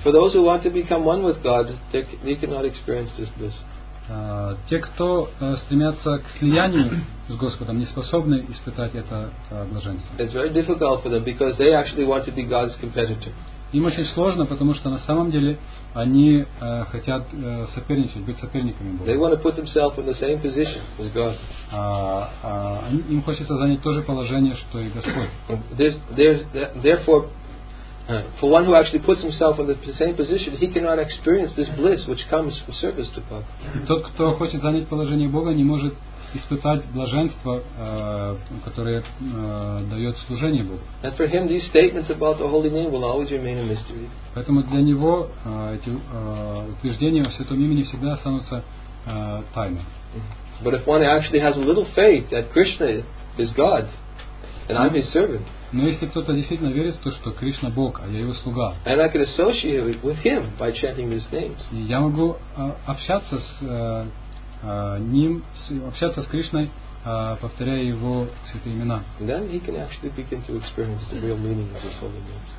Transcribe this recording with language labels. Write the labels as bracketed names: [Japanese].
[English] For those who want to become one with God, they cannot experience this bliss. [Russian] Те, кто стремятся к слиянию с Господом, не способны испытать это блаженство. [English] It's very difficult for them because they actually want to be God's competitor. [Russian] Им очень сложно, потому что на самом деле они хотят соперничать, быть соперниками Бога. [English] They want to put themselves in the same position as God. [Russian] Им хочется занять то же положение, что и Господь. [English] For one who actually puts himself in the same position, he cannot experience this bliss which comes from service to God. [Russian] Тот, кто хочет занять положение Бога, не может испытать блаженство, которое дает служение Богу. [English] And for him, these statements about the holy name will always remain a mystery. [Russian] Поэтому для него эти утверждения о святом имени всегда останутся тайной. [English] But if one actually has a little faith that Krishna is God, and I'm his servant. [Russian] Но если кто-то действительно верит в то, что Кришна Бог, а я его слуга, [English] and I can associate with him by chanting his names. [Russian] Я могу общаться с ним, общаться с Кришной, повторяя его святые имена. [English] Then he can actually begin to experience the real meaning of his holy names.